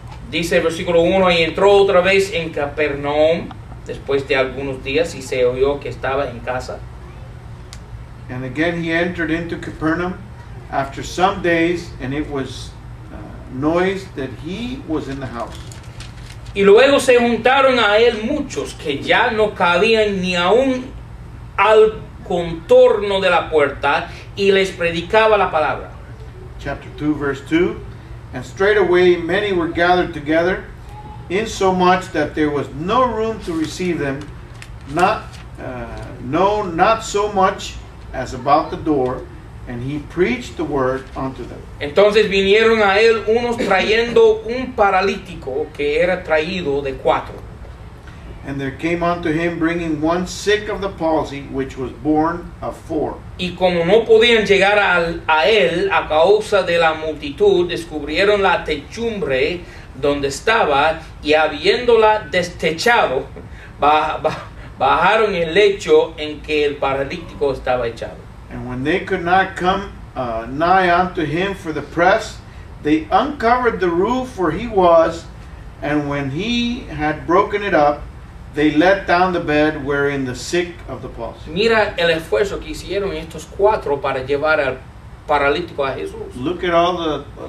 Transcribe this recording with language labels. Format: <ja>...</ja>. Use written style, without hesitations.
<es>dice el versículo 1, y entró otra vez en Capernaum después de algunos días y se oyó que estaba en casa.</es> <en>And again he entered into Capernaum after some days, and it was noise that he was in the house.</en> <es>Y luego se juntaron a él muchos que ya no cabían ni aún al contorno de la puerta, y les predicaba la palabra.</es> <en>Chapter 2, verse 2. And straightway many were gathered together, insomuch that there was no room to receive them, not so much as about the door, and he preached the word unto them.</en> <es>Entonces vinieron a él unos trayendo un paralítico que era traído de cuatro.</es> <en>And there came unto him bringing one sick of the palsy, which was born of four.</en> <es>Y como no podían llegar a él a causa de la multitud, descubrieron la techumbre donde estaba, y habiéndola destechado, bajaron el lecho en que el paralítico estaba echado.</es> <en>And when they could not come nigh unto him for the press, they uncovered the roof where he was, and when he had broken it up, they let down the bed wherein the sick of the palsy.</en> <es>Mira el esfuerzo que hicieron estos cuatro para llevar al paralítico a Jesús.</es>